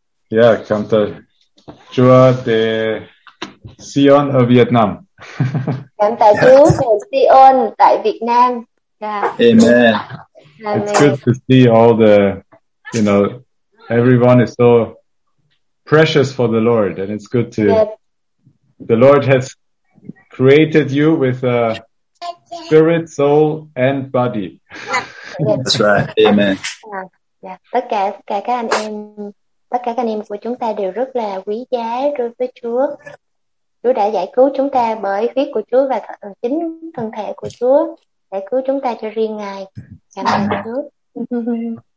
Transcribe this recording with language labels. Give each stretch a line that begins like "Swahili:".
Vietnamese: Yeah, cảm tạ Chúa để Sion ở Việt Nam. Cảm tạ Chúa để Sion tại Việt Nam.
English: Yeah. Amen. It's good to see all the, you know, everyone is so precious for the Lord, and it's good to. The Lord has created you with a spirit, soul, and body. That's right. Amen.
Vietnamese: Tất cả các anh em của chúng ta đều rất là quý giá đối với Chúa. Chúa đã giải cứu chúng ta bởi huyết của Chúa và chính thân thể của Chúa, giải cứu chúng ta cho riêng Ngài. Cảm ơn Chúa.